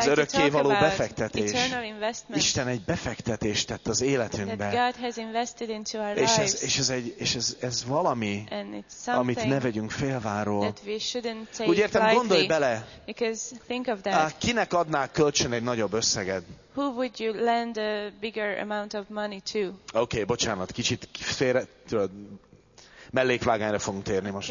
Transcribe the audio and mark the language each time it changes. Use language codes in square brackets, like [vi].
[hu] az örökkévaló befektetés. [en] Eternal investment. [hu] Isten egy befektetést tett az életünkbe. [en] That God has invested into our [hu] lives. És ez valami, [en] and it's something [hu] amit ne vegyünk félváról. [en] That we shouldn't take [hu] úgy értem, [en] lightly. [hu] Gondolj bele. [en] Because think of that. [hu] Kinek adnál kölcsön egy nagyobb összeged? [en] Who would you lend a bigger amount of money to? [hu] Okay, bocsánat, kicsit félre, tudod, mellékvágányra fogunk térni most.